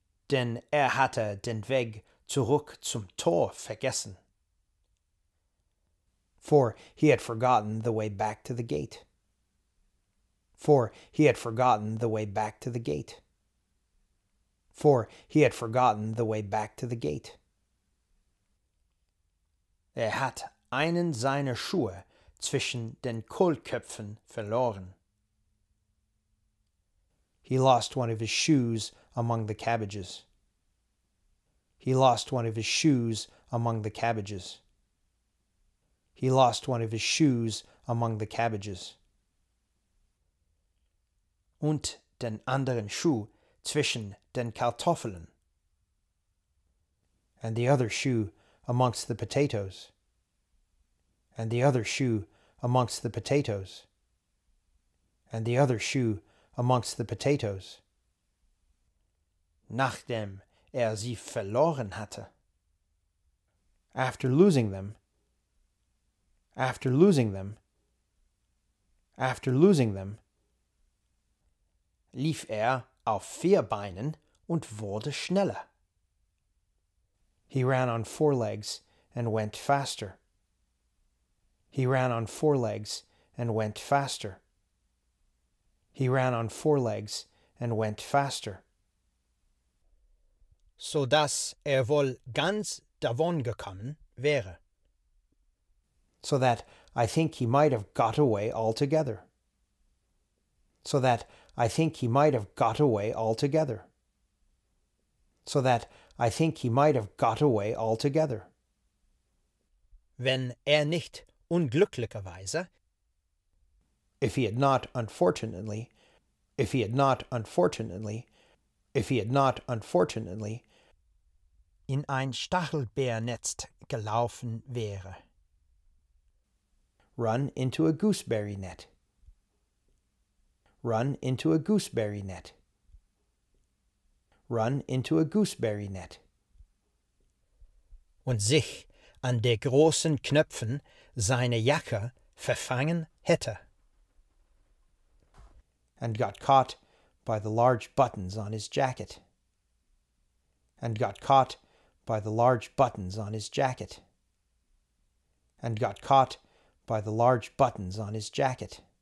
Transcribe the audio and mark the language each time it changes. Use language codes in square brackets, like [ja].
[de] Denn er hatte den Weg zurück zum Tor vergessen. [en] For he had forgotten the way back to the gate. For he had forgotten the way back to the gate. For he had forgotten the way back to the gate. [de] Er hat einen seiner Schuhe zwischen den Kohlköpfen verloren. [en] He lost one of his shoes among the cabbages. He lost one of his shoes among the cabbages. He lost one of his shoes among the cabbages. [de] Und den anderen Schuh zwischen den Kartoffeln. [en] And the other shoe amongst the potatoes. And the other shoe amongst the potatoes. And the other shoe amongst the potatoes. [de] Nachdem er sie verloren hatte. [en] After losing them. After losing them. After losing them. [de] Lief er auf vier Beinen und wurde schneller. [en] He ran on four legs and went faster. He ran on four legs and went faster. He ran on four legs and went faster. [de] So dass er wohl ganz davon gekommen wäre. [en] So that I think he might have got away altogether. So that I think he might have got away altogether. So that I think he might have got away altogether. [de] Wenn er nicht unglücklicherweise. [en] If he had not unfortunately. If he had not unfortunately. If he had not unfortunately. [de] In ein Stachelbeernetz gelaufen wäre. [en] Run into a gooseberry net. Run into a gooseberry net. Run into a gooseberry net. [de] Und sich an der großen Knöpfen seine Jacke verfangen hätte. [en] And got caught by the large buttons on his jacket. And got caught by the large buttons on his jacket. And got caught by the large buttons on his jacket.